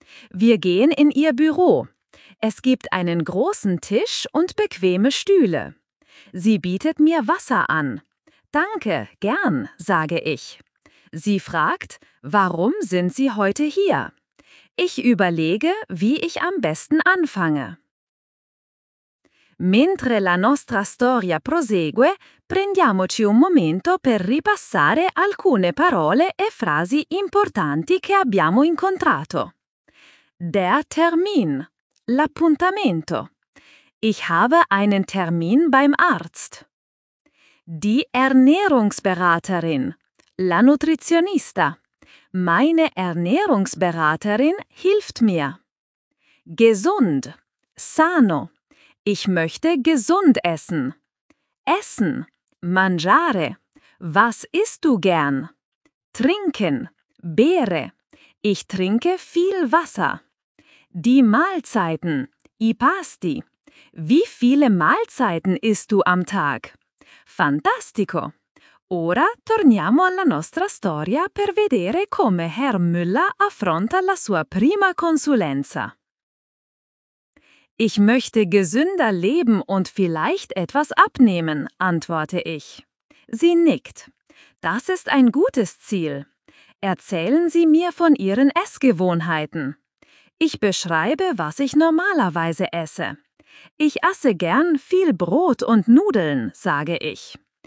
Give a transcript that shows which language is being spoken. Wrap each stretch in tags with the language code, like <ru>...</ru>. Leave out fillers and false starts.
<de>Wir gehen in Ihr Büro. Es gibt einen großen Tisch und bequeme Stühle. Sie bietet mir Wasser an. Danke, gern, sage ich. Sie fragt, warum sind Sie heute hier? Ich überlege, wie ich am besten anfange.</de> <it>Mentre la nostra storia prosegue, prendiamoci un momento per ripassare alcune parole e frasi importanti che abbiamo incontrato.</it> <de>Der Termin.</de> <it>L'appuntamento.</it> <de>Ich habe einen Termin beim Arzt. Die Ernährungsberaterin.</de> <it>La Nutritionista.</it> <de>Meine Ernährungsberaterin hilft mir. Gesund. Sano. Ich möchte gesund essen. Essen. Mangiare. Was isst du gern? Trinken. Bere. Ich trinke viel Wasser. Die Mahlzeiten.</de> <it>I pasti.</it> <de>Wie viele Mahlzeiten isst du am Tag?</de> <it>Fantastico! Ora torniamo alla nostra storia per vedere come Herr Müller affronta la sua prima consulenza.</it> <de>Ich möchte gesünder leben und vielleicht etwas abnehmen, antworte ich. Sie nickt. Das ist ein gutes Ziel. Erzählen Sie mir von Ihren Essgewohnheiten. Ich beschreibe, was ich normalerweise esse. Ich esse gern viel Brot und Nudeln, sage ich.</de>